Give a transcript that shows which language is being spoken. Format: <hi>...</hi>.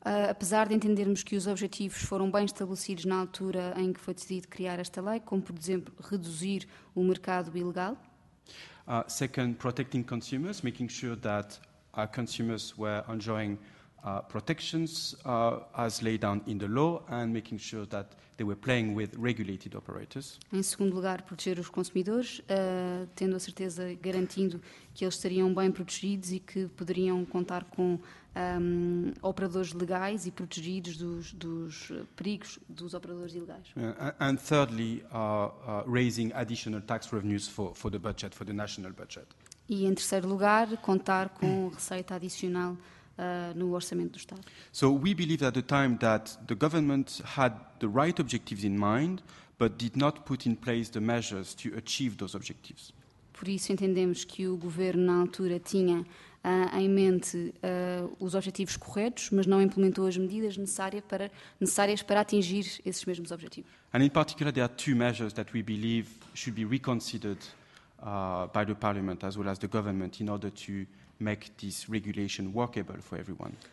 <pt>Apesar de entendermos que os objetivos foram bem estabelecidos na altura em que foi decidido criar esta lei, como por exemplo reduzir o mercado ilegal.</pt> <en>Second, protecting consumers, making sure that our consumers were enjoying protections as laid down in the law and making sure that they were playing with regulated operators.</en> <pt>Em segundo lugar, proteger os consumidores, tendo a certeza, garantindo que eles estariam bem protegidos e que poderiam contar com operadores legais e protegidos dos perigos dos operadores ilegais.</pt> <en>And thirdly, raising additional tax revenues for the budget, for the national budget.</en> <pt>E em terceiro lugar, contar com receita adicional no orçamento do Estado.</pt> <en>So we believe at the time that the government had the right objectives in mind, but did not put in place the measures to achieve those objectives.</en> <pt>Por isso entendemos que o governo na altura tinha em mente os objetivos corretos, mas não implementou as medidas necessárias para atingir esses mesmos objetivos.</pt> <en>And in particular, there are two measures that we believe should be reconsidered by the Parliament as well as the government in order to make this regulation workable for everyone.</en>